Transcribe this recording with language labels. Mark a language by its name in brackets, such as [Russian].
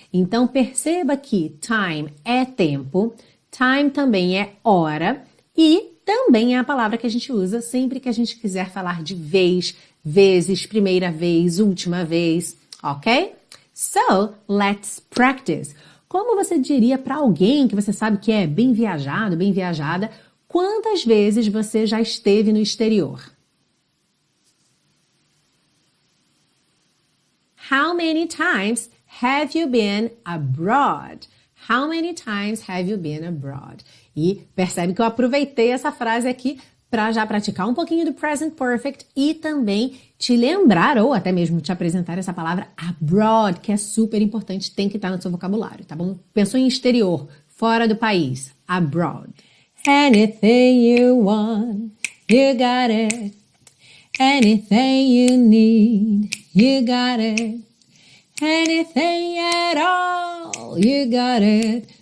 [Portuguese] Então, perceba que time é tempo, time também é hora e também é a palavra que a gente usa sempre que a gente quiser falar de vez, vezes, primeira vez, última vez, ok? [English] So, let's practice. [Portuguese] Como você diria para alguém que você sabe que é bem viajado, bem viajada, quantas vezes você já esteve no exterior? [English] How many times have you been abroad? How many times have you been abroad? [Portuguese] E percebe que eu aproveitei essa frase aqui para já praticar um pouquinho do present perfect e também te lembrar ou até mesmo te apresentar essa palavra abroad, que é super importante, tem que estar no seu vocabulário, tá bom? Pensou em exterior, fora do país, abroad. [English] Anything you want, you got it. Anything you need, you got it. Anything at all, you got it.